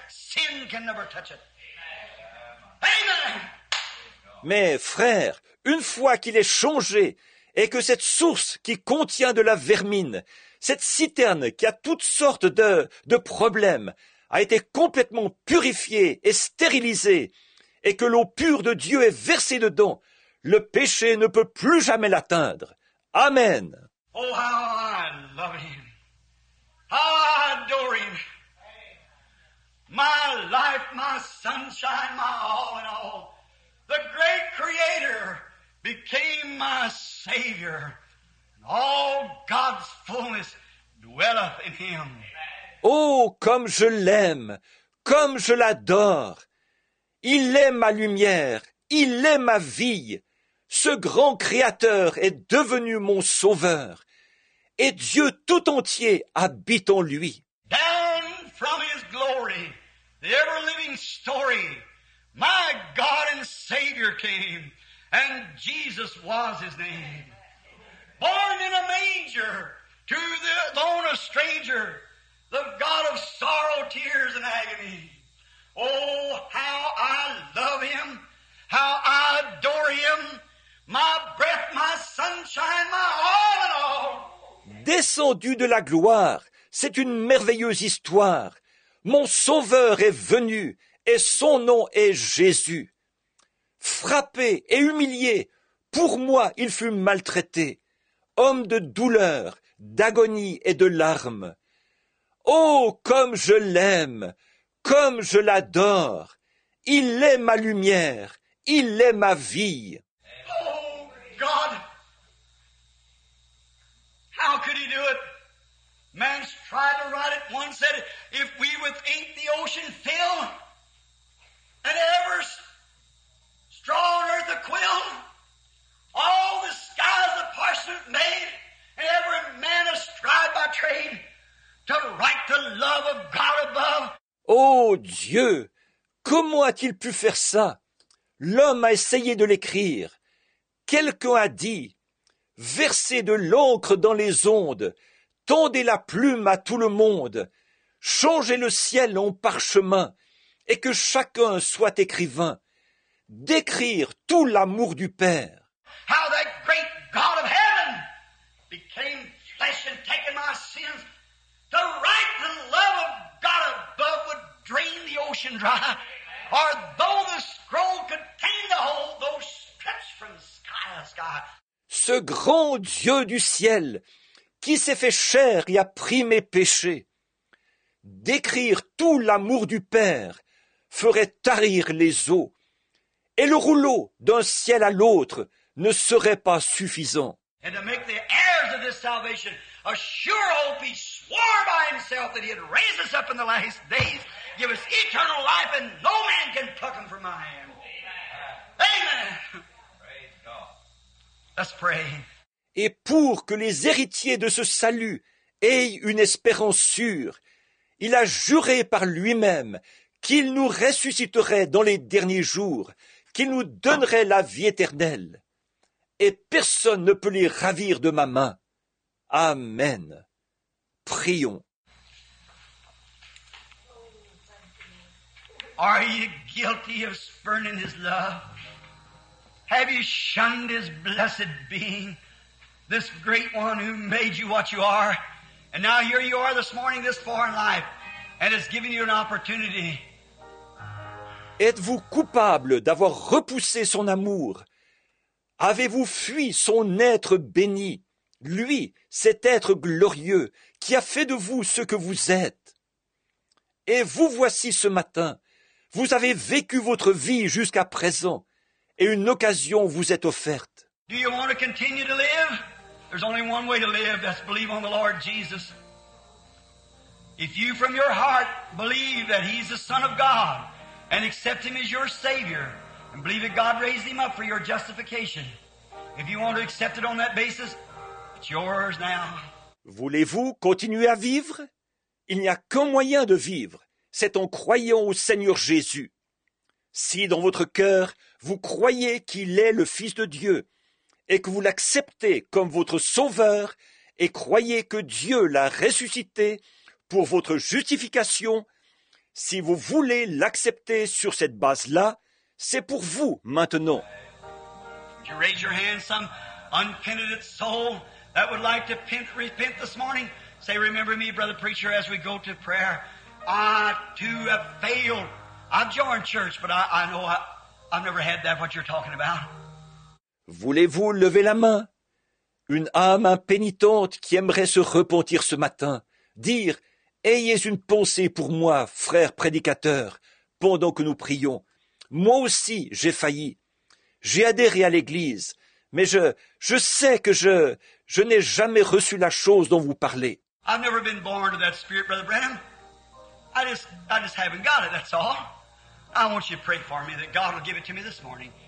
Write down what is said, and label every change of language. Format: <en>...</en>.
<en>Sin can never touch it. Amen.</en> <fr>Mais frère, une fois qu'il est changé, et que cette source qui contient de la vermine, cette citerne qui a toutes sortes de problèmes, a été complètement purifiée et stérilisée, et que l'eau pure de Dieu est versée dedans, le péché ne peut plus jamais l'atteindre. Amen.</fr> <en>Oh, how I love him. How I adore him. My life, my sunshine, my all in all. The great creator became my savior. And all God's fullness dwelleth in him.</en> <fr>Oh, comme je l'aime. Comme je l'adore. Il est ma lumière. Il est ma vie. Ce grand Créateur est devenu mon Sauveur, et Dieu tout entier habite en lui.</fr> <en>Down from his glory, the ever-living story, my God and Savior came, and Jesus was his name. Born in a manger, to the own a stranger, the God of sorrow, tears, and agony. Oh, how I love him, how I adore him. My breath, my sunshine, my all in all.</en> <fr>Descendu de la gloire, c'est une merveilleuse histoire. Mon Sauveur est venu et son nom est Jésus. Frappé et humilié, pour moi il fut maltraité. Homme de douleur, d'agonie et de larmes. Oh, comme je l'aime, comme je l'adore. Il est ma lumière, il est ma vie.</fr> <en>God, how could he do it? Man's tried to write it. One said, if we with ink the ocean fill, and ever straw on earth a quill, all the skies a parchment made, and every man a scribe by trade, to write the love of God above.</en> <fr>Oh Dieu, comment a-t-il pu faire ça? L'homme a essayé de l'écrire. Quelqu'un a dit, versez de l'encre dans les ondes, tendez la plume à tout le monde, changez le ciel en parchemin, et que chacun soit écrivain, d'écrire tout l'amour du Père.</fr> <en>How that great God of heaven became flesh and taken my sins, to write the love of God above would drain the ocean dry, or though the scroll contained the whole, though stretched from the sky to sky.</en> <fr>Ce grand Dieu du ciel, qui s'est fait chair et a pris mes péchés, d'écrire tout l'amour du Père ferait tarir les eaux, et le rouleau d'un ciel à l'autre ne serait pas suffisant.</fr> <en>And to make the heirs of this salvation a sure hope, he swore by himself that he had raised us up in the last days, give us eternal life, and no man can pluck him from my hand. Amen. Amen. Let's pray.</en> <fr>Et pour que les héritiers de ce salut aient une espérance sûre, il a juré par lui-même qu'il nous ressusciterait dans les derniers jours, qu'il nous donnerait la vie éternelle. Et personne ne peut les ravir de ma main. Amen. Prions.</fr> <en>Are you guilty of spurning his love? Have you shunned his blessed being, this great one who made you what you are? And now here you are this morning, this far in life, and has given you an opportunity.</en> <fr>Êtes-vous coupable d'avoir repoussé son amour? Avez-vous fui son être béni, lui, cet être glorieux, qui a fait de vous ce que vous êtes? Et vous voici ce matin. Vous avez vécu votre vie jusqu'à présent. Et une occasion vous est offerte.</fr> <en>Do you want to continue to live? There's only one way to live, that's believe on the Lord Jesus. If you from your heart believe that he's the Son of God and accept him as your Savior and believe that God raised him up for your justification, if you want to accept it on that basis, it's yours now.</en> <fr>Voulez-vous continuer à vivre? Il n'y a qu'un moyen de vivre, c'est en croyant au Seigneur Jésus. Si dans votre cœur, vous croyez qu'il est le Fils de Dieu et que vous l'acceptez comme votre Sauveur et croyez que Dieu l'a ressuscité pour votre justification, si vous voulez l'accepter sur cette base-là, c'est pour vous maintenant.</fr> <en>Would you raise your hand, some unpenitent soul that would like to repent this morning? Say, remember me, brother preacher, as we go to prayer. I too have failed. I've joined church, but I know I've never had that, what you're talking about.</en> <fr>Voulez-vous lever la main? Une âme impénitente qui aimerait se repentir ce matin, dire, ayez une pensée pour moi, frère prédicateur, pendant que nous prions. Moi aussi, j'ai failli. J'ai adhéré à l'Église, mais je sais que je n'ai jamais reçu la chose dont vous parlez.</fr> <en>I've never been born to that spirit, Brother Branham. I just haven't got it, that's all. I want you to pray for me that God will give it to me this morning.</en>